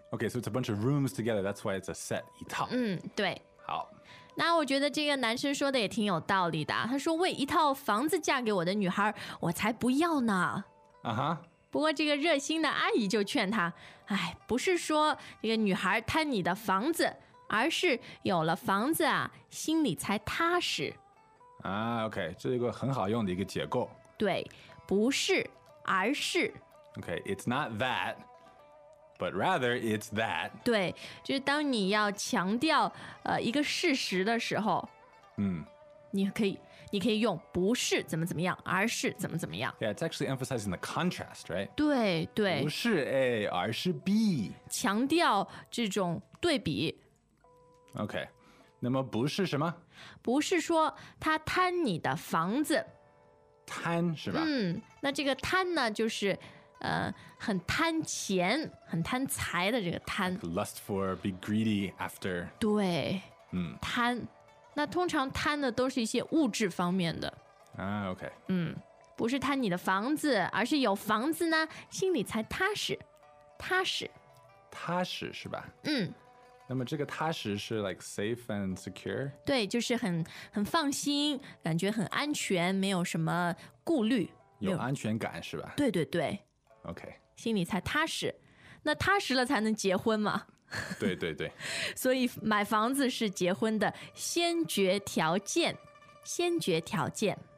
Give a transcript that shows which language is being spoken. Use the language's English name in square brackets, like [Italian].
[English] OK， so it's a bunch of rooms together. That's why it's a set， [Chinese] 一套。嗯，对。好。那我觉得这个男生说的也挺有道理的，他说为一套房子嫁给我的女孩我才不要呢。不过这个热心的阿姨就劝他，哎，不是说这个女孩贪你的房子，而是有了房子啊心里才踏实啊。 OK， 这是一个很好用的一个结构。对，不是而是。 [English] OK， it's not thatBut rather, it's that. [Chinese] 对，就是当你要强调一个事实的时候，嗯，你可以用不是怎么怎么样，而是怎么怎么样。 [English] Yeah, it's actually emphasizing the contrast, right? [Chinese] 对对，不是 A, 而是 B. 强调这种对比。 Okay, 那么不是什么？不是说他贪你的房子。贪是吧？嗯，那这个贪呢，就是。很贪钱，很贪财的这个贪。 [English] Like、lust for, be greedy after. [Chinese] 对，嗯，贪，那通常贪的都是一些物质方面的。 [English] 啊 ，OK。 [Chinese] 嗯，不是贪你的房子，而是有房子呢，心里才踏实，踏实。踏实是吧？嗯。那么这个踏实是 [English] like safe and secure。 [Chinese] 对，就是很放心，感觉很安全，没有什么顾虑。有安全感是吧？对对对。 [English] OK， [Chinese] 心里才踏实，那踏实了才能结婚嘛。对对对，所以买房子是结婚的先决条件，先决条件。